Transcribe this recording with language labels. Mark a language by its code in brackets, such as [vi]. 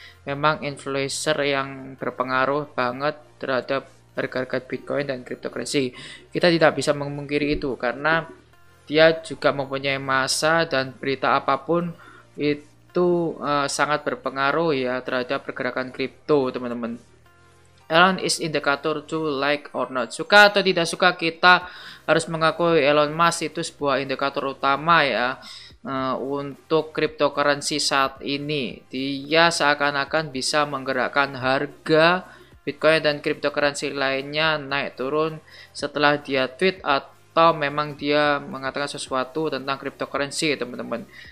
[id] Memang influencer yang berpengaruh banget terhadap harga-harga Bitcoin dan cryptocurrency. Kita tidak bisa memungkiri itu karena dia juga mempunyai massa, dan berita apapun itu sangat berpengaruh ya terhadap pergerakan kripto, teman-teman. [en] Elon is indicator to like or not. [id] Suka atau tidak suka, kita harus mengakui Elon Musk itu sebuah indikator utama ya untuk cryptocurrency saat ini. Dia seakan-akan bisa menggerakkan harga Bitcoin dan cryptocurrency lainnya naik turun setelah dia tweet atau memang dia mengatakan sesuatu tentang cryptocurrency, teman-teman.